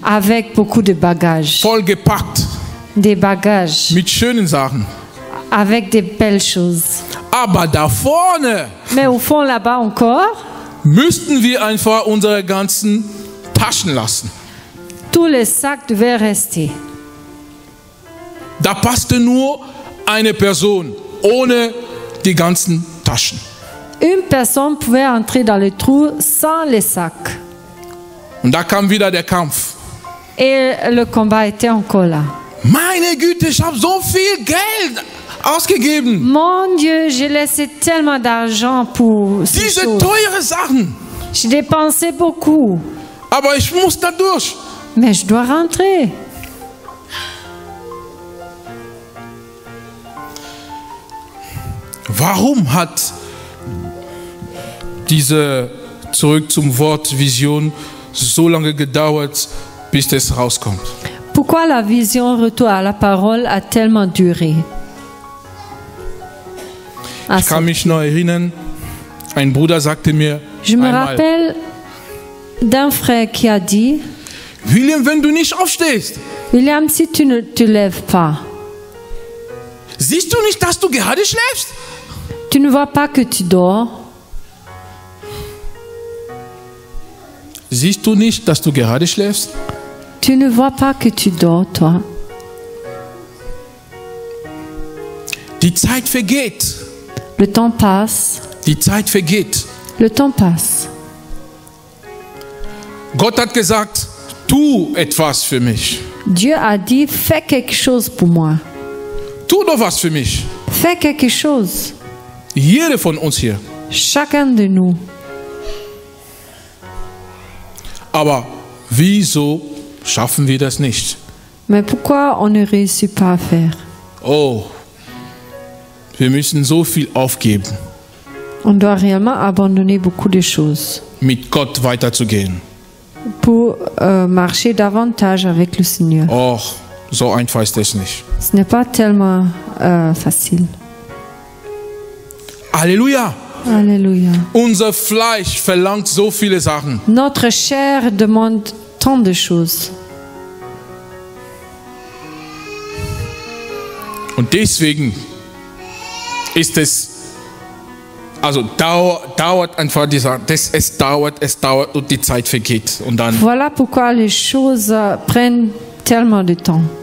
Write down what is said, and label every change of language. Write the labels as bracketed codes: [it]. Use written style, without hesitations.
[fr] Avec beaucoup de bagages. [de] Voll gepackt. [fr] Des bagages. [de] Mit schönen Sachen. [fr] Avec des belles choses. [de] Aber da vorne. [fr] Mais au fond là-bas encore. [de] Müssten wir einfach unsere ganzen Taschen lassen. [fr] Tous les sacs devaient rester. [de] Da passte nur eine Person ohne die ganzen Taschen. [fr] Une personne pouvait entrer dans le trou sans les sacs. [de] Und da kam wieder der Kampf. [fr] Et le combat était encore là. [de] Meine Güte, ich habe so viel Geld ausgegeben. [fr] Mon Dieu, j'ai laissé tellement d'argent pour [de] diese [fr] chose. [de] Teure Sachen. [fr] J'ai dépensé beaucoup. [de] Aber ich muss da durch. [fr] Mais je dois rentrer. [de] Warum hat diese, zurück zum Wort Vision, so lange gedauert, bis es rauskommt? [fr] Pourquoi la vision retour à la parole a tellement duré? [de] Ich kann mich noch erinnern, ein Bruder sagte mir, [fr] je me rappelle d'un frère qui a dit, [de] William, wenn du nicht aufstehst, [fr] William, si tu ne te lèves pas, [de] siehst du nicht, dass du gerade schläfst? [fr] Tu ne vois pas que tu dors? [de] Siehst du nicht, dass du gerade schläfst? [fr] Tu ne vois pas que tu dors, toi? [de] Die Zeit vergeht. [fr] Le temps passe. [de] Die Zeit vergeht. [fr] Le temps passe. [de] Gott hat gesagt, tu etwas für mich. [fr] Dieu a dit, fais quelque chose pour moi. [de] Tu doch was für mich. [fr] Fais quelque chose. [de] Jeder von uns hier. [fr] Chacun de nous. [de] Aber wieso schaffen wir das nicht? [fr] Mais pourquoi on ne réussit pas à faire? [de] Oh, wir müssen so viel aufgeben. [fr] On doit réellement abandonner beaucoup de choses. [de] Mit Gott weiterzugehen. [fr] Pour marcher davantage avec le Seigneur. [de] Oh, so einfach ist es nicht. [fr] Ce n'est pas tellement facile. Alléluia. Alléluia. [de] Unser Fleisch verlangt so viele Sachen. [fr] Notre chair demande tant de choses. [de] Und deswegen ist es, also dauert einfach die Sache, es dauert und die Zeit vergeht und dann. [fr] Voilà pourquoi les choses prennent tellement de temps.